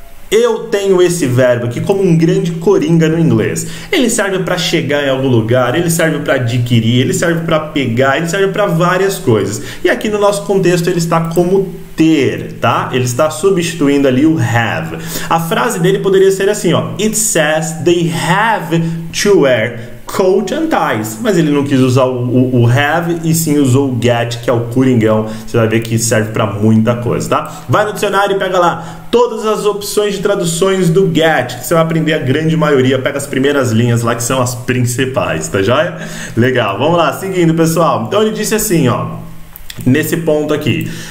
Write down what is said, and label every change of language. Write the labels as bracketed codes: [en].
[pt] Eu tenho esse verbo aqui como um grande coringa no inglês. Ele serve para chegar em algum lugar, ele serve para adquirir, ele serve para pegar, ele serve para várias coisas. E aqui no nosso contexto ele está como ter, tá? Ele está substituindo ali o have. A frase dele poderia ser assim, ó. [en] It says they have to wear coat and ties. [pt] Mas ele não quis usar o have e sim usou o get, que é o coringão. Você vai ver que serve para muita coisa, tá? Vai no dicionário e pega lá todas as opções de traduções do get, que você vai aprender a grande maioria. Pega as primeiras linhas lá, que são as principais, tá joia? Legal, vamos lá. Seguindo, pessoal. Então ele disse assim, ó. Nesse ponto aqui.